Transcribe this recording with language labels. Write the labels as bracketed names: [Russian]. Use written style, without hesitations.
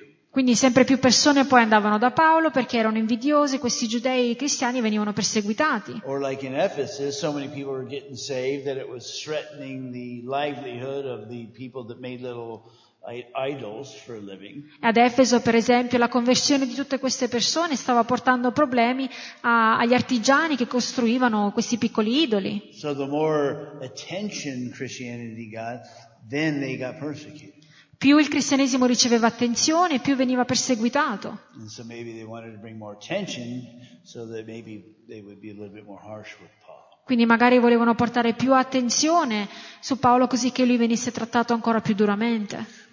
[Italian] Quindi sempre più persone poi andavano da Paolo perché erano invidiosi, questi giudei cristiani venivano perseguitati. [English] Or like in Ephesus, so many people were getting saved that it was threatening the livelihood of the people that made little idols for a living. [Italian] Ad Efeso, per esempio, la conversione di tutte queste persone stava portando problemi agli artigiani che costruivano questi piccoli idoli. [English] So the more attention Christianity got, then they got persecuted. [Italian] Più il cristianesimo riceveva attenzione, più veniva perseguitato. [English] And so maybe they wanted to bring more attention so that maybe they would be a little bit more harsh with. [Italian] Quindi magari volevano portare più attenzione su Paolo così che lui venisse trattato ancora più duramente.